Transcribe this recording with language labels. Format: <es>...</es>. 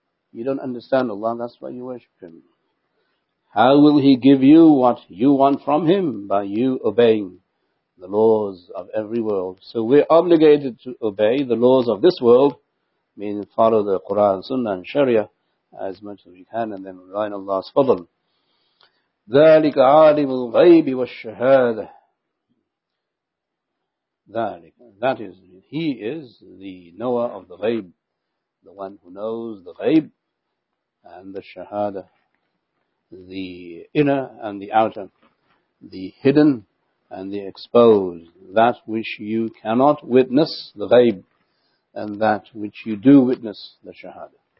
<en>You don't understand Allah, that's why you worship Him. How will He give you what you want from Him? By you obeying the laws of every world. So we're obligated to obey the laws of this world, meaning follow the Quran, Sunnah and Sharia as much as we can, and then rely on Allah's fadl.</en> <ar>ذلك عالم الغيب والشهادة. ذلك.</ar> <en>That is, he is the knower of the ghaib, the one who knows the ghaib and the shahada, the inner and the outer, the hidden and the exposed, that which you cannot witness, the ghaib, and that which you do witness, the shahada.</en>